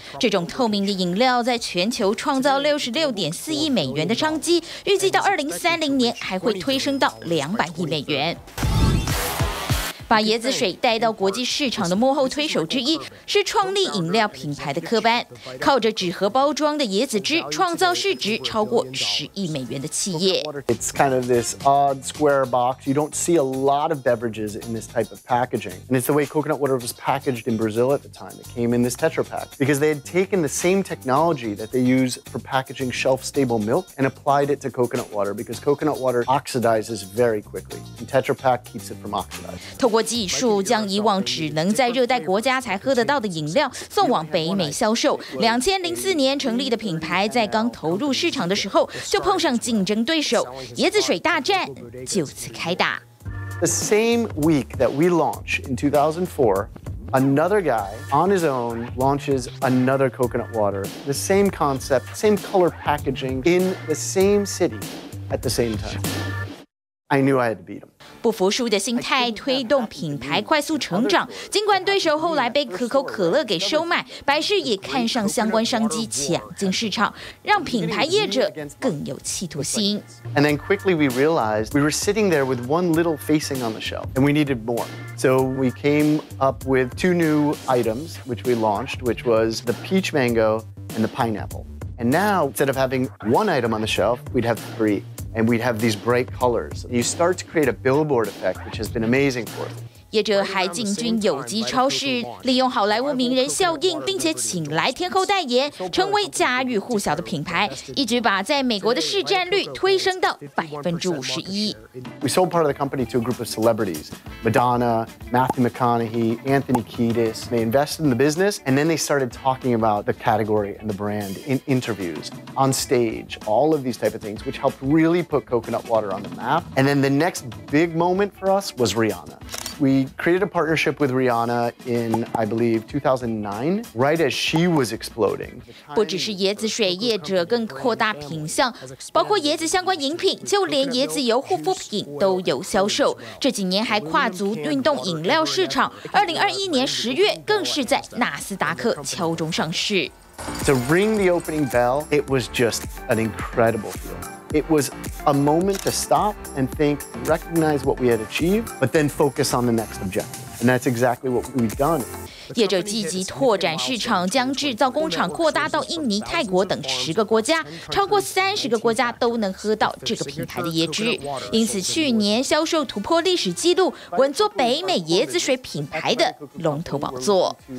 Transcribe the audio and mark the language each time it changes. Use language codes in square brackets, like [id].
[zh] 这种透明的饮料在全球创造66.4亿美元的商机，预计到2030年还会推升到200亿美元。把椰子水带到国际市场的幕后推手之一是创立饮料品牌的科班，靠着纸盒包装的椰子汁创造市值超过10亿美元的企业。 [en] It's kind of this odd square box. You don't see a lot of beverages in this type of packaging, and it's the way coconut water was packaged in Brazil at the time. It came in this Tetra Pak because they had taken the same technology that they use for packaging shelf-stable milk and applied it to coconut water because coconut water oxidizes very quickly, and Tetra Pak keeps it from oxidizing. [zh] 透过技术，将以往只能在热带国家才喝得到的饮料送往北美销售。 2004年成立的品牌，在刚投入市场的时候就碰上竞争对手，椰子水大战就此开打。 [en] The same week that we launched in 2004, another guy on his own launches another coconut water. The same concept, same color packaging, in the same city, at the same time. I knew I had to beat him. [zh] 不服输的心态推动品牌快速成长，尽管对手后来被可口可乐给收买，百事也看上相关商机抢进市场，让品牌业者更有企图心。 [en] And then quickly we realized we were sitting there with one little facing on the shelf and we needed more. So we came up with two new items which we launched, which was the peach mango and the pineapple. And now instead of having one item on the shelf, we'd have three. And we'd have these bright colors. You start to create a billboard effect, which has been amazing for them. [zh] 业者还进军有机超市，利用好莱坞名人效应，并且请来天后代言，成为家喻户晓的品牌，一举把在美国的市占率推升到51%。 [en] We sold part of the company to a group of celebrities, Madonna, Matthew McConaughey, Anthony Kiedis. They invested in the business, and then they started talking about the category and the brand in interviews, on stage, all of these type of things, which helped really put coconut water on the map. And then the next big moment for us was Rihanna. We created a partnership with Rihanna in, I believe, 2009, right as she was exploding. [zh] 不只是椰子水业者更扩大品项，包括椰子相关饮品，就连椰子油护肤品都有销售。这几年还跨足运动饮料市场，2021年10月更是在纳斯达克敲钟上市。 [en] To ring the opening bell, it was just an incredible feeling. It was a moment to stop and think, recognize what we had achieved, but then focus on the next objective. And that's exactly what we've done. [zh] 业者积极拓展市场，将制造工厂扩大到印尼、泰国等十个国家，超过三十个国家都能喝到这个品牌的椰汁。因此，去年销售突破历史纪录，稳坐北美椰子水品牌的龙头宝座。